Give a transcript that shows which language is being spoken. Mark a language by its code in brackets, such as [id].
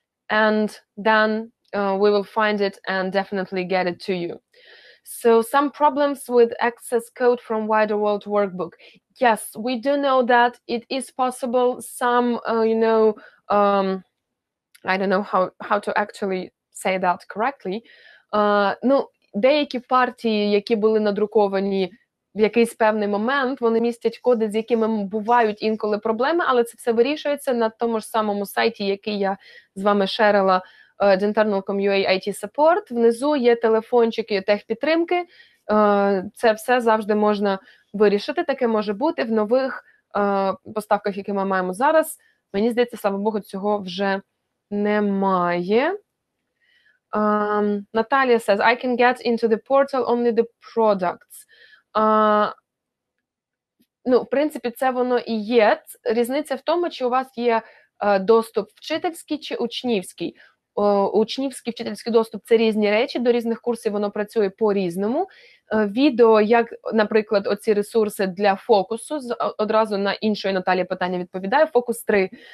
[en] And then we will find it and definitely get it to you. So some problems with access code from Wider World Workbook. Yes, we do know that it is possible some, I don't know how to actually say that correctly. [uk] Ну, деякі партії, які були надруковані в якийсь певний момент, вони містять коди, з якими бувають інколи проблеми, але це все вирішується на тому ж самому сайті, який я з вами шерила, dinternal.com.ua IT support. Внизу є телефончики техпідтримки. Це все завжди можна вирішити, таке може бути в нових поставках, які ми маємо зараз. Мені здається, слава Богу, цього вже немає. [en] Наталія says, I can get into the portal only the products. [uk] Ну, в принципі, це воно і є. Різниця в тому, чи у вас є доступ вчительський чи учнівський. Учнівський, вчительський доступ – це різні речі, до різних курсів воно працює по-різному. Відео, як, наприклад, оці ресурси для фокусу, одразу на іншої Наталі питання відповідаю, фокус 3.